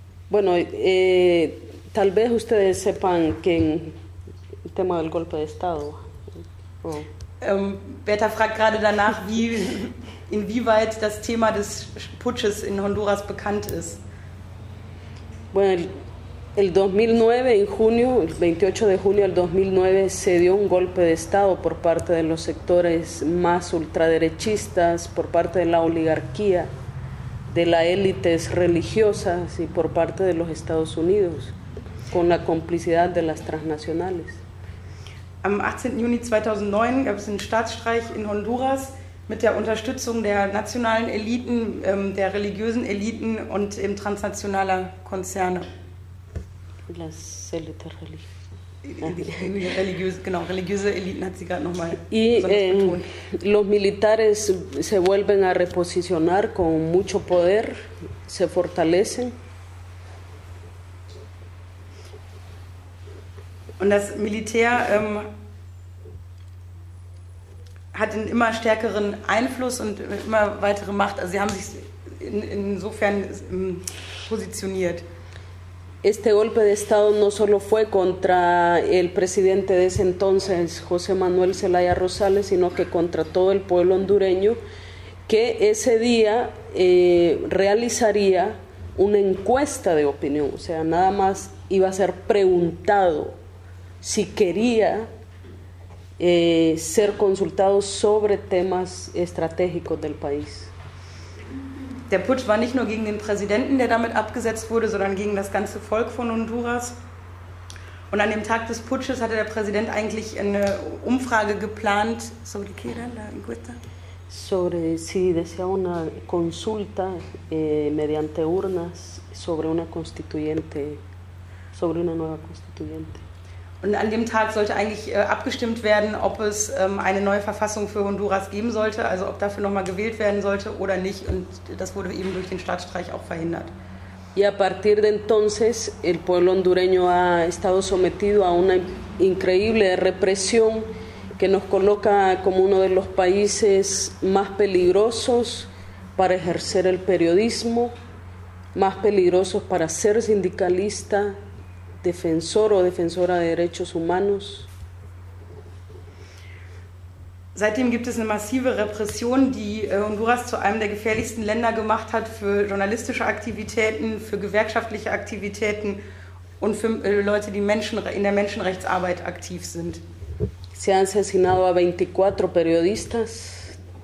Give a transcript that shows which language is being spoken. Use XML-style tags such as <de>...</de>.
<es>Bueno, tal vez ustedes sepan que en el tema del golpe de Estado. Oh.</es> <de>Berta fragt gerade danach, inwieweit das Thema des Putsches in Honduras bekannt ist.</de> <es>Bueno, el 2009, en junio, el 28 de junio del 2009, se dio un golpe de Estado por parte de los sectores más ultraderechistas, por parte de la oligarquía, de las élites religiosas y por parte de los Estados Unidos, con la complicidad de las transnacionales.</es> <de>Am 18. Juni 2009 gab es einen Staatsstreich in Honduras mit der Unterstützung der nationalen Eliten, der religiösen Eliten und eben transnationaler Konzerne.</de> <es>Las élites religiosas.</es> <de>Religiöse Eliten hat sie gerade nochmal</de> <es>los militares se vuelven a reposicionar con mucho poder, se fortalecen.</es> <de>Und das Militär hat einen immer stärkeren Einfluss und immer weitere Macht. Also sie haben sich insofern positioniert.</de> <es>Este golpe de Estado no solo fue contra el presidente de ese entonces, José Manuel Zelaya Rosales, sino que contra todo el pueblo hondureño, que ese día realizaría una encuesta de opinión. O sea, nada más iba a ser preguntado si quería ser consultado sobre temas estratégicos del país.</es> <de>Der Putsch war nicht nur gegen den Präsidenten, der damit abgesetzt wurde, sondern gegen das ganze Volk von Honduras. Und an dem Tag des Putsches hatte der Präsident eigentlich eine Umfrage geplant.</de> <es>Sobre qué era la encuesta? Sobre si desea una consulta mediante urnas sobre una constituyente, sobre una nueva constituyente.</es> <de>Und an dem Tag sollte eigentlich abgestimmt werden, ob es eine neue Verfassung für Honduras geben sollte, also ob dafür nochmal gewählt werden sollte oder nicht. Und das wurde eben durch den Staatsstreich auch verhindert.</de> <es>Y a partir de entonces, el pueblo hondureño ha estado sometido a una increíble represión que nos coloca como uno de los países más peligrosos para ejercer el periodismo, más peligrosos para ser sindicalista, Defensor o Defensora de Derechos Humanos.</es> <de>Seitdem gibt es eine massive Repression, die Honduras zu einem der gefährlichsten Länder gemacht hat für journalistische Aktivitäten, für gewerkschaftliche Aktivitäten und für Leute, die in der Menschenrechtsarbeit aktiv sind.</de> <es>Se han asesinado a 24 periodistas.</es>